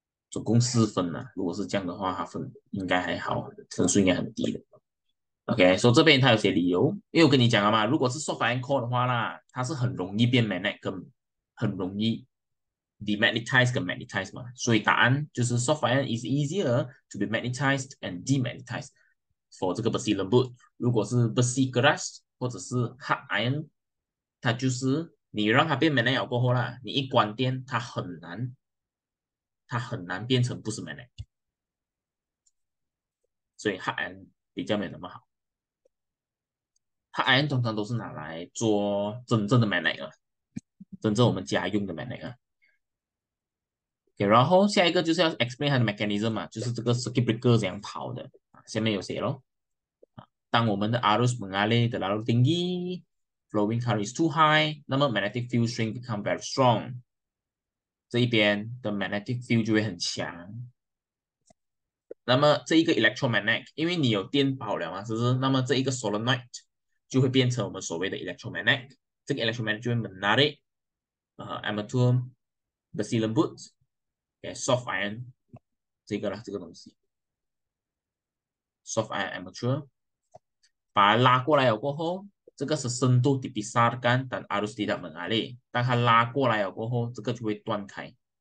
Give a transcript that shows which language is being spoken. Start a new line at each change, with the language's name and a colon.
Chinese: 总共四分呢、啊，如果是这样的话，它分应该还好，分数应该很低的。 OK，所、so、以这边它有写理由，因为我跟你讲了嘛，如果是 soft iron core 的话啦，它是很容易变 magnet，跟很容易。 demagnetize 跟 magnetize 嘛，所以答案就是
English: soft iron is easier to be magnetized and demagnetized
Chinese: for 这个 besi lembut。如果是 besi keras 或者是 hard iron，它就是你让它变 magnet 了过后啦，你一关电，它很难变成不是 magnet。所以 hard iron 比较没那么好。hard iron 通常都是拿来做真正的 magnet 啊，真正我们家用的 magnet 啊。 Okay, 然后下一个就是要 explain 它的 mechanism 嘛，就是这个 circuit breaker 怎样跑的。下面有写咯，当我们的
Malay: arus mengalir terlalu tinggi，
English: flowing current is too high，
Chinese: 那么
English: magnetic field string become very strong，
Chinese: 这一边的 magnetic field 就会很强。那么这一个 electromagnet，因为你有电跑了嘛，是不是？那么这一个 solenoid 就会变成我们所谓的 electromagnet，这个 electromagnet 就会
Malay: menarik armature besi lembut。
Chinese: soft iron 这个啦，这个东西，soft iron armature，把它拉过来了过后，这个是深度
Malay: dipisahkan dan arus tidak mengalir，
Chinese: 当它拉过来了过后，这个就会断开。